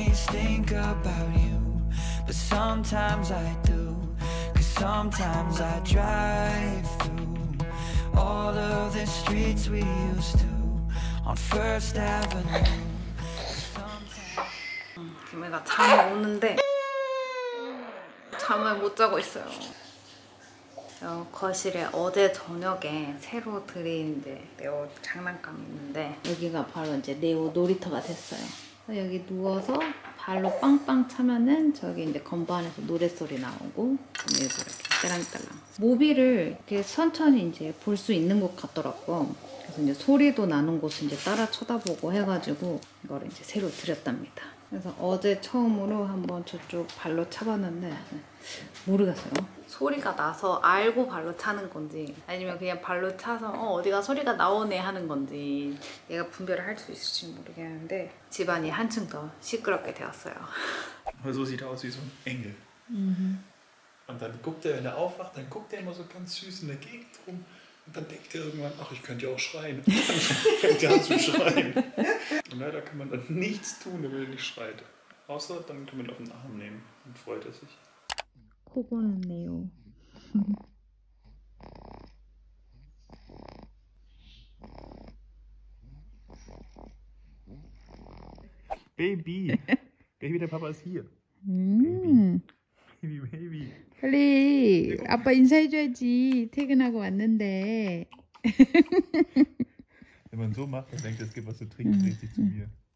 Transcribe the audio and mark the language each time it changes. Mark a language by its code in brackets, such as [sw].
[en] But sometimes I do, cause sometimes I drive through all of the streets we used to on First Avenue. [ko] 김혜가 잠이 오는데 잠을 못 자고 있어요. 거실에 어제 저녁에 새로 들인 네오 장난감 있는데 여기가 바로 이제 네오 놀이터가 됐어요. 여기 누워서 발로 빵빵 차면은 저기 이제 건반에서 노랫소리 나오고 여기서 이렇게 딸랑딸랑 모비를 이렇게 천천히 이제 볼 수 있는 것 같더라고. 그래서 이제 소리도 나는 곳을 이제 따라 쳐다보고 해가지고 이거를 이제 새로 들였답니다. 그래서 어제 처음으로 한번 저쪽 발로 차봤는데 모르겠어요. 소리가 나서 알고 발로 차는 건지 아니면 그냥 발로 차서 어디가 소리가 나오네 하는 건지 얘가 분별을 할 수 있을지 모르겠는데 집안이 한층 더 시끄럽게 되었어요. [de] 그래서 sieht aus wie so ein Engel. Und dann guckt er, wenn er aufwacht, dann guckt er immer so ganz süß in der Gegend rum. Und dann denkt er irgendwann, ach, ich könnte ja auch schreien. Und dann fängt er an zu schreien. Und leider kann man dann nichts tun, wenn er nicht schreit. Außer dann kann man ihn auf den Arm nehmen und freut er sich. [ko] 코고는 네오. 베이비. 베이비, 내 파파 is here. 베이비. 빨리 아빠 인사해줘야지. 퇴근하고 왔는데. [de] Wenn man so macht, dann denkt, es gibt was zu trinken, dreht sich zu mir.